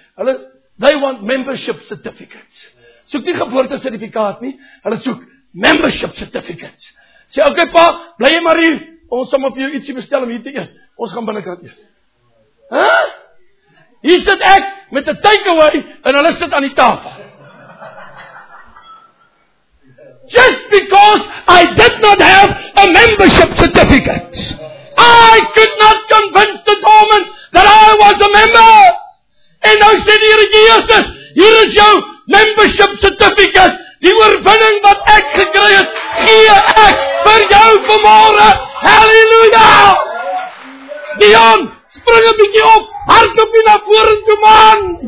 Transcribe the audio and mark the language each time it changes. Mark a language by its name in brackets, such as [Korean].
[Afrikaans] Hulle, [English] they want membership certificates. [Afrikaans] Soek nie geboorte certificaat nie, hulle soek membership certificates. Sê, oké okay, pa, bly jy maar hier, ons sal maar vir jou ietsie bestel om hier te eet. Ons gaan binnenkant eet. Huh? Hier sit ek met die takeaway, en hulle sit aan die tafel. [English] Just because I did not have a membership certificate. I could not convince the doorman that I was a member. [Afrikaans] En nou sê die Here Jesus, hier is jou membership certificate. Die oorwinning wat ek gekry het, gee ek vir jou vanmôre. Halleluja! Dion, spring 'n bietjie op, hardloop hier na vore toe, man!